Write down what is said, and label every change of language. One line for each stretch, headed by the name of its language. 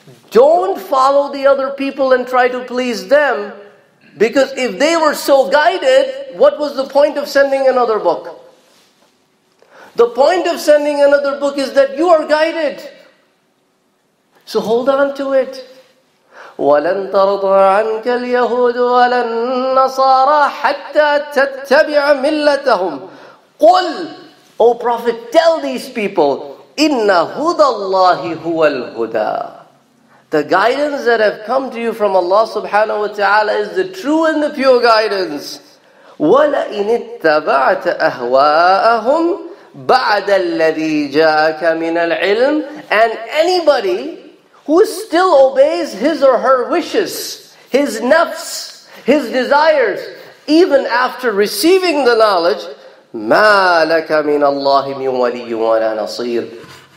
English: Don't follow the other people and try to please them. Because if they were so guided, what was the point of sending another book? The point of sending another book is that you are guided. So hold on to it.
Arabic: وَلَن تَرْضَى عَنْكَ الْيَهُودُ وَلَا النَّصَارَى حَتَّى تَتَّبِعَ مِلَّتَهُمْ. قُلْ,
English: O Prophet, tell these people,
Arabic: Inna hudallahi huwal huda.
English: The guidance that have come to you from Allah subhanahu wa ta'ala is the true and the pure guidance.
Arabic: وَلَئِنِ اتَّبَعْتَ أَهْوَاءَهُمْ بَعْدَ الَّذِي جَاءَكَ مِنَ الْعِلْمِ.
English: And anybody who still obeys his or her wishes, his nafs, his desires, even after receiving the knowledge,
Arabic: مَا لَكَ مِنَ اللَّهِ مِنْ وَلِيٍّ وَلَا نَصِيرٍ.